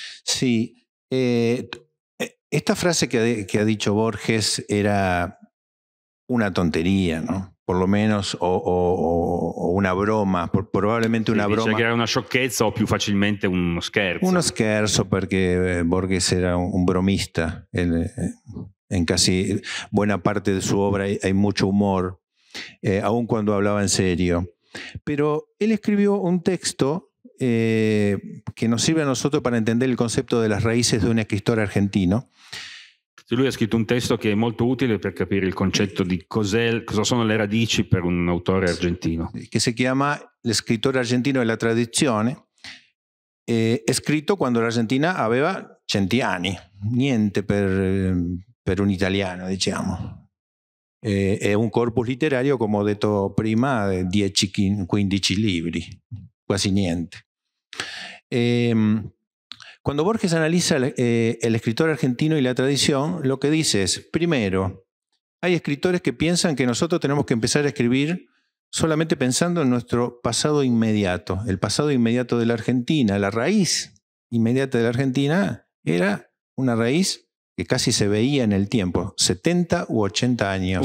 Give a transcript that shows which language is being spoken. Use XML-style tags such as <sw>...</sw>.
<it>Sì, questa frase che ha detto Borges era una tonteria, no?</it> <es>Por lo menos, o una broma, probablemente una broma.</es> <it>Dice che era una sciocchezza o più facilmente uno scherzo. Uno scherzo, perché Borges era un bromista.</it> <es>En casi buena parte de su obra hay mucho humor, aun cuando hablaba en serio. Pero él escribió un texto que nos sirve a nosotros para entender el concepto de las raíces de un escritor argentino.</es> <it>Sì, lui ha scritto un testo che è molto utile per capire il concetto di cosa sono le radici per un autore argentino. Che si chiama L'escrittore argentino e la tradizione, scritto quando l'Argentina aveva 100 anni, niente per un italiano, diciamo. È un corpus letterario, come ho detto prima, 10-15 libri, quasi niente.</it> <es>Cuando Borges analiza el escritor argentino y la tradición, lo que dice es, primero, hay escritores que piensan que nosotros tenemos que empezar a escribir solamente pensando en nuestro pasado inmediato. El pasado inmediato de la Argentina, la raíz inmediata de la Argentina, era una raíz que casi se veía en el tiempo, 70 u 80 años.</es>